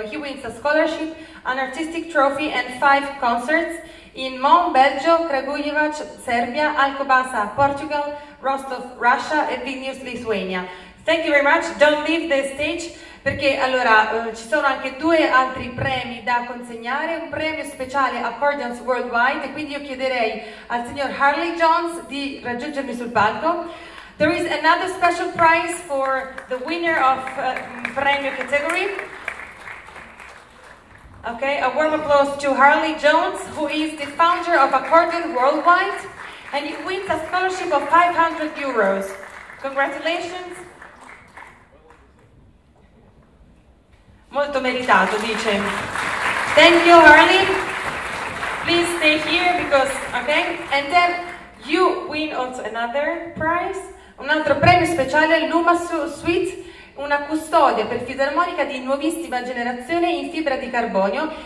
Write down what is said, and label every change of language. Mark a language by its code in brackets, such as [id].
[en] He wins a scholarship, an artistic trophy and 5 concerts in Mon, Belgio, Kragujevac, Serbia, Alcobaça, Portugal, Rostov, Russia e Vilnius, Lithuania. Thank you very much. Don't leave the stage. [it] Perché allora ci sono anche due altri premi da consegnare, un premio speciale Accordions Worldwide, e quindi io chiederei al signor Harley Jones di raggiungermi sul palco. [en] There is another special prize for the winner of premio category. Okay, a warm applause to Harley Jones, who is the founder of Accordion Worldwide, and he wins a scholarship of 500 euros. Congratulations. [it] Molto meritato, dice. [en] Thank you, [it] Harley. [en] Please stay here because, okay? And then you win also another prize, [it] un altro premio speciale, l'Uma Suite, una custodia per fisarmonica di nuovissima generazione in fibra di carbonio.